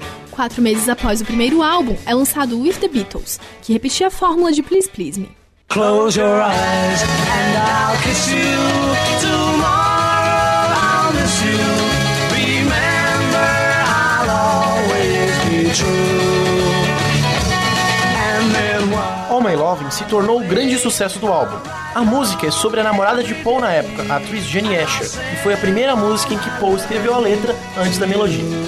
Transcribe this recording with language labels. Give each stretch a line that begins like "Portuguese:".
Portuguese: Quatro meses após o primeiro álbum, é lançado With The Beatles, que repetia a fórmula de Please Please Me.
English: Close your eyes and I'll kiss you. Tomorrow I'll miss you. Remember, I'll always be true.
Portuguese: All My Loving se tornou o grande sucesso do álbum. A música é sobre a namorada de Paul na época, a atriz Jenny Asher, e foi a primeira música em que Paul escreveu a letra antes da melodia.